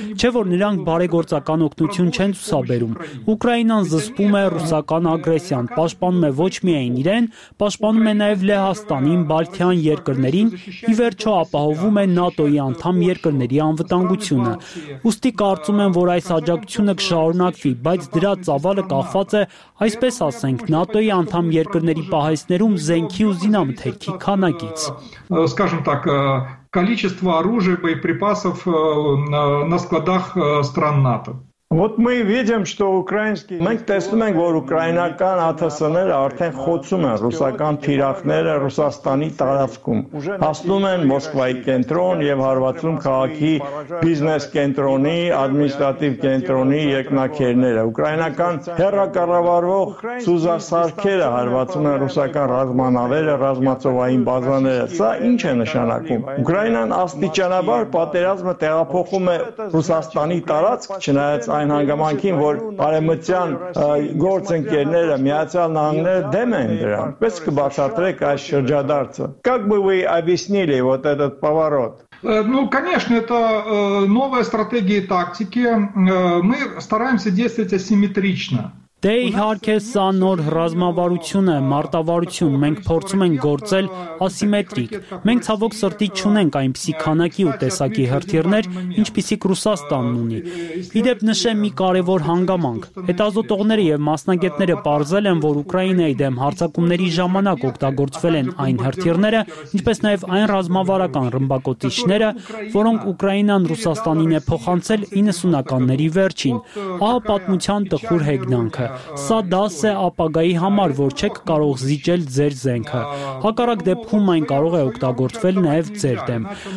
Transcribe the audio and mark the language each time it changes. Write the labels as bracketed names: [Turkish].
[Armenian] Չէ՞ որ նրանք բարեգործական օգնություն չեն ցուսաբերում։ Ուկրաինան զսպում է ռուսական ագրեսիան, պաշտպանում է ոչ միայն իրեն, պաշտպանում է նաև Լեհաստանին, Բալթյան երկրներին, ի վերջո ապահովում է ՆԱՏՕ-ի անդամ երկրների անվտանգությունը։ Ուստի կարծում եմ, որ այս աջակցությունը կշարունակվի, բայց դրա ծավալը կախված է, այսպես ասենք, ՆԱՏՕ-ի անդամ երկրների պահեսներում զենքի ու զինամթերքի քանակից։ [Russian] Скажем так, количество оружия, боеприпасов на складах стран НАТО. Вот мы видим, что украинские [Armenian] Մենք տեսնում ենք, որ ուկրաինական ԱԹՍ-ները արդեն խոցում են ռուսական թիրախները Ռուսաստանի տարածքում։ Հասնում են Մոսկվայի կենտրոն եւ հարվածում քաղաքի բիզնես կենտրոնի, ադմինիստրատիվ կենտրոնի եկնաքերները։ Ուկրաինական հերակառավարող սուզասարքերը հարվածում են ռուսական ռազմանավերը, ռազմածովային բազաները։ Սա ի՞նչ է նշանակում։ Ուկրաինան աստիճանաբար պատերազմը տեղափոխում է Ռուսաստանի տարածք, չնայած այն հանգամանքին, որ արեմտյան գործընկերները, միացյալ նահանգները դեմ են դրան։ Պես կբացատրեք այս շրջադարձը։ [Russian] Как бы вы объяснили вот этот поворот? Ну, конечно, это новая стратегия и тактики. Мы стараемся действовать асимметрично. [Armenian] Դե իհարկե սա նոր ռազմավարություն է, մարտավարություն, մենք փորձում ենք գործել ասիմետրիկ։ Մենք ցավոք սրտի չունենք այնպիսի քանակի ու տեսակի հրթիռներ, ինչպիսիք Ռուսաստանն ունի։ Իդեպ նշեմ մի կարևոր հանգամանք։ Հետազոտողները եւ մասնագետները պարզել են, որ Ուկրաինայի դեմ հարձակումների ժամանակ օգտագործվել են այն հրթիռները, ինչպես նաեւ այն ռազմավարական ռմբակոծիչները, որոնք Ուկրաինան Ռուսաստանին է փոխանցել 90-ականների վերջին։ Ահա պատմության տխուր հեգնան։ Սա դաս է ապագայի համար, որ չեք կարող զիջել ձեր զենքը։ Հակառակ դեպքում այն կարող է օգտագործվել նաև ձեր դեմ։